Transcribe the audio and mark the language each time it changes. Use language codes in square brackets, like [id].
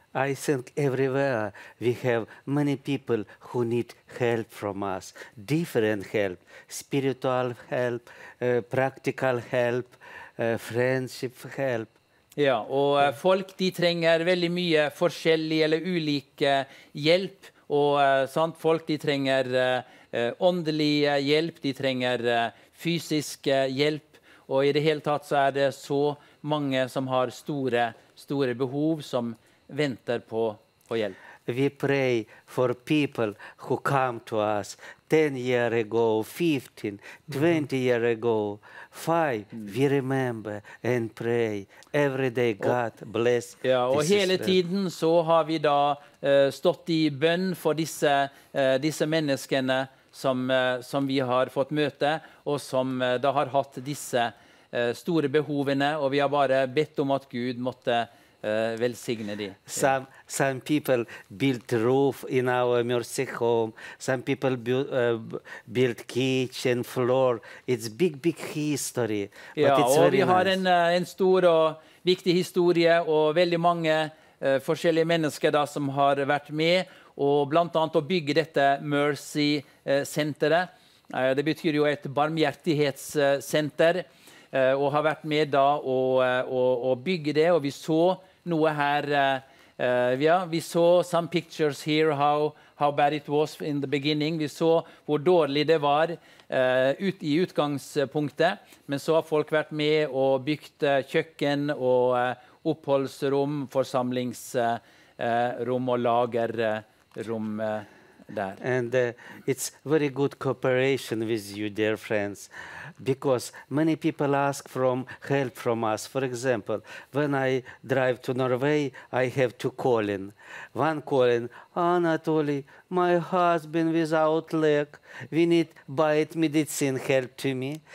[en] I think everywhere we have many people who need help from us, different help, spiritual help, practical help, friendship help. [no] Ja, og folk de trenger veldig mye forskjellig eller ulike hjelp, og sant, folk de trenger åndelig hjelp, de trenger fysisk hjelp, og i det hele tatt så det så mange som har store, store behov som venter på hjelp. [en] We pray for people who come to us 10 years ago, 15, 20 years ago, 5. We remember and pray every day, God bless. [no] Ja, og hele tiden så har vi da stått i bønn for disse menneskene som vi har fått møte, og som da har hatt disse store behovene, og vi har bare bedt om at Gud måtte velsigne de. [en] Some people built roof in our mercy home. Some people built kitchen floor. It's big history. [no] Ja, [en] but it's very nice. [no] Vi har en stor og viktig historie, og veldig mange forskjellige mennesker da som har vært med og blant annet å bygge dette Mercy senteret. Det betyr jo et barmhjertighetssenter, og har vært med da og bygge det, og vi så noe her, ja, vi så [en] some pictures here how bad it was in the beginning. [no] Vi så hvor dårlig det var i utgangspunktet, men så har folk vært med og bygd kjøkken og oppholdsrom, forsamlingsrom og lagerrom der. [en] And it's very good cooperation with you, dear friends. Because many people ask for help from us. For example, when I drive to Norway, I have two calling. One calling, Anatoly, my husband without leg, we need bite medicine help to me.